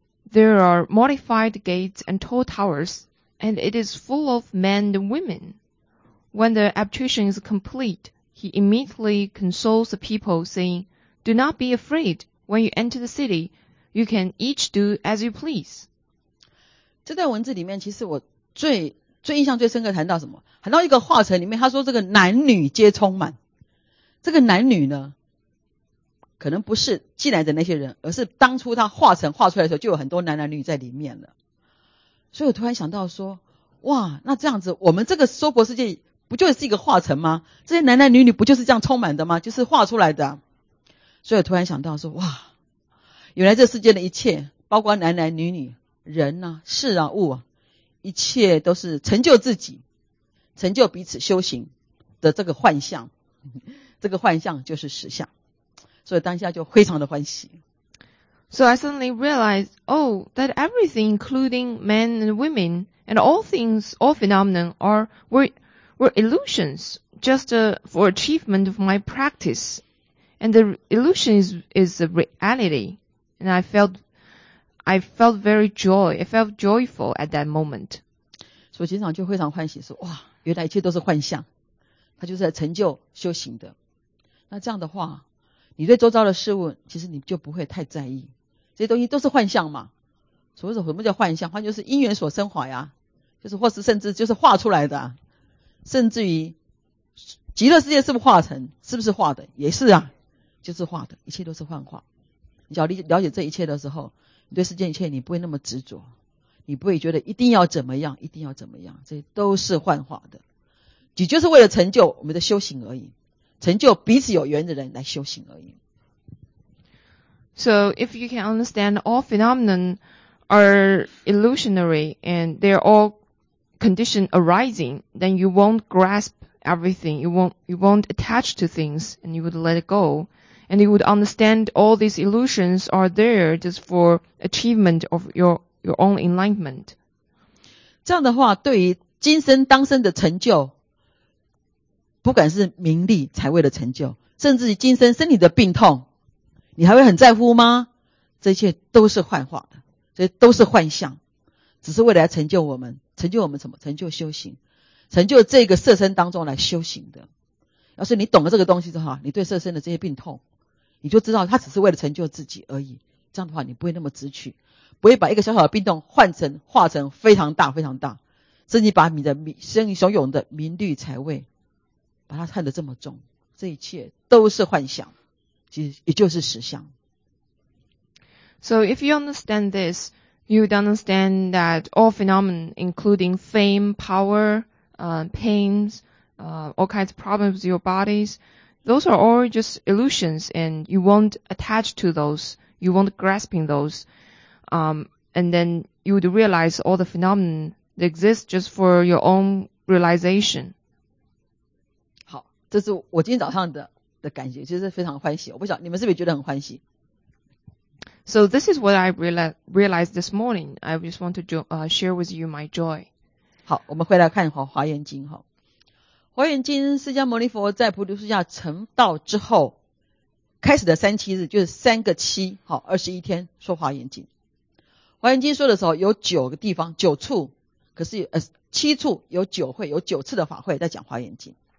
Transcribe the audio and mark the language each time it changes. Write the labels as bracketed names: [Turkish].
[English] There are modified gates and tall towers, and it is full of men and women. When the abstraction is complete, he immediately consoles the people, saying, Do not be afraid. When you enter the city, you can each do as you please. [Chinese] 这段文字里面其实我最印象最深刻谈到什么？谈到一个化成里面，他说这个男女皆充满。这个男女呢，可能不是进来的那些人，而是当初他化成化出来的时候，就有很多男男女在里面了。所以我突然想到说，哇，那这样子，我们这个娑婆世界不就是一个化成吗？这些男男女女不就是这样充满的吗？就是化出来的、啊。所以我突然想到说，哇，原来这世界的一切，包括男男女女、人啊、事啊、物啊，一切都是成就自己、成就彼此修行的这个幻象。这个幻象就是实相，所以当下就非常的欢喜。 [English] So I suddenly realized, oh, that everything, including men and women, and all things, all phenomena, were illusions just for achievement of my practice. And the illusion is the reality. And I felt very joy. I felt joyful at that moment. [Chinese] 所以经常就非常欢喜说，哇，原来一切都是幻象。它就是在成就修行的。那这样的话，你对周遭的事物，其实你就不会太在意。这些东西都是幻象嘛。所谓什么叫幻象？幻就是因缘所生化呀。就是或是甚至就是化出来的、啊。甚至于极乐世界是不是化成，是不是化的，也是啊，就是化的，一切都是幻化。你只要了解这一切的时候，你对世间一切你不会那么执着，你不会觉得一定要怎么样一定要怎么样，这都是幻化的。你就是为了成就我们的修行而已，成就彼此有缘的人来修行而已。 [English] So if you can understand all phenomena are illusionary and they're allcondition arising, then you won't grasp everything, you won't attach to things, and you would let it go, and you would understand all these illusions are there just for achievement of your own enlightenment. [Chinese] 这样的话，对于今生当生的成就，不管是名利财位的成就，甚至于今生身体的病痛，你还会很在乎吗？这些都是幻化的，这些都是幻象，只是为了来成就我们。成就我们什么？成就修行，成就这个色身当中来修行的。要是你懂了这个东西之后，你对色身的这些病痛，你就知道它只是为了成就自己而已。这样的话，你不会那么直取，不会把一个小小的病痛换成化成非常大非常大，甚至把你的生所有的名利财位，把它看得这么重。这一切都是幻想，其实也就是实相。 [English] So if you understand this, you would understand that all phenomena, including fame, power, pains, all kinds of problems with your bodies, those are all just illusions, and you won't attach to those, you won't grasp in those. And then you would realize all the phenomena that exist just for your own realization. [Chinese] 好，这是我今天早上的感觉，其实非常欢喜。我不晓得你们是不是觉得很欢喜。 [English] So this is what I realized this morning. I just want to share with you my joy. [Chinese] 好，我们回来看华严经哈。华严经，释迦牟尼佛在菩提树下成道之后，开始的三七日就是三个七，好，二十一天说华严经。华严经说的时候有九个地方，九处，可是七处有九会，有九次的法会在讲华严经。